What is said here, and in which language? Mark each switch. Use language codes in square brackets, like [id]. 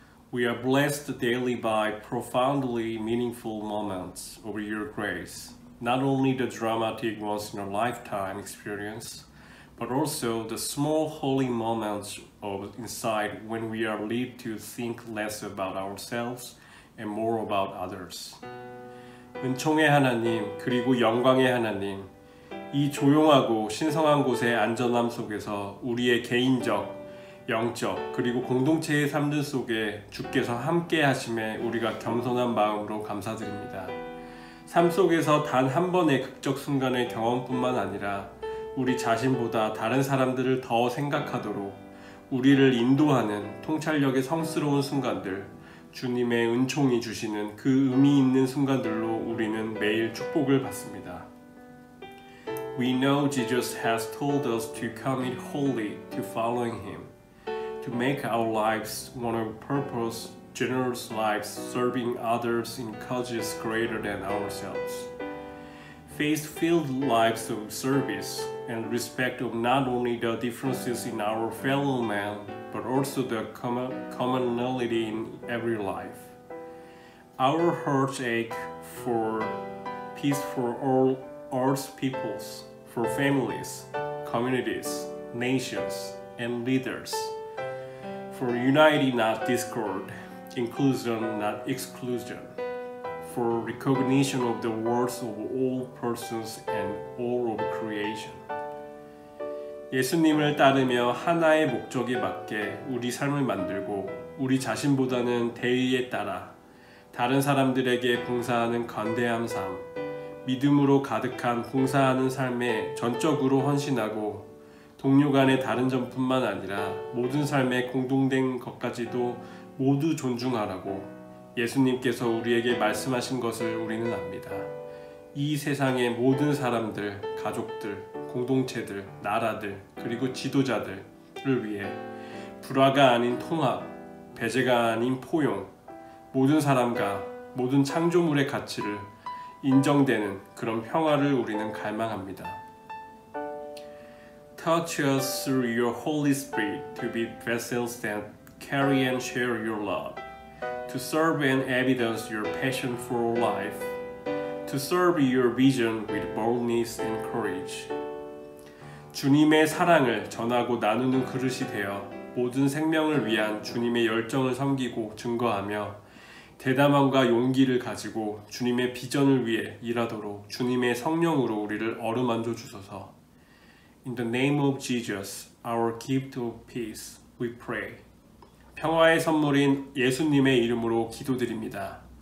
[en] We are blessed daily by profoundly meaningful moments of your grace, not only the dramatic once-in-a-lifetime experience, but also the small holy moments of inside when we are led to think less about ourselves and more about others. [ko] 은총의 하나님, 그리고 영광의 하나님, 이 조용하고 신성한 곳의 안전함 속에서 우리의 개인적, 영적, 그리고 공동체의 삶들 속에 주께서 함께 하심에 우리가 겸손한 마음으로 감사드립니다. 삶 속에서 단 한 번의 극적 순간의 경험뿐만 아니라 우리 자신보다 다른 사람들을 더 생각하도록 우리를 인도하는 통찰력의 성스러운 순간들, 주님의 은총이 주시는 그 의미 있는 순간들로 우리는 매일 축복을 받습니다. [en] We know Jesus has told us to commit wholly to following Him, to make our lives one of purpose, generous lives serving others in causes greater than ourselves. Faith-filled lives of service and respect of not only the differences in our fellow man, but also the commonality in every life. Our hearts ache for peace for all Earth's peoples, for families, communities, nations, and leaders. For unity, not discord, inclusion, not exclusion. For recognition of the worth of all persons and all of creation. [ko] 예수님을 따르며 하나의 목적에 맞게 우리 삶을 만들고 우리 자신보다는 대의에 따라 다른 사람들에게 봉사하는 관대함 삶, 믿음으로 가득한 봉사하는 삶에 전적으로 헌신하고 동료 간의 다른 점뿐만 아니라 모든 삶에 공동된 것까지도 모두 존중하라고 예수님께서 우리에게 말씀하신 것을 우리는 압니다. 이 세상의 모든 사람들, 가족들, 공동체들, 나라들, 그리고 지도자들을 위해 불화가 아닌 통합, 배제가 아닌 포용, 모든 사람과 모든 창조물의 가치를 인정되는 그런 평화를 우리는 갈망합니다. [en] Touch us through your Holy Spirit to be vessels that carry and share your love, to serve and evidence your passion for life, to serve your vision with boldness and courage. [ko] 주님의 사랑을 전하고 나누는 그릇이 되어 모든 생명을 위한 주님의 열정을 섬기고 증거하며 대담함과 용기를 가지고 주님의 비전을 위해 일하도록 주님의 성령으로 우리를 어루만져 주소서. [en] In the name of Jesus, our gift of peace, we pray. [ko] 평화의 선물인 예수님의 이름으로 기도드립니다.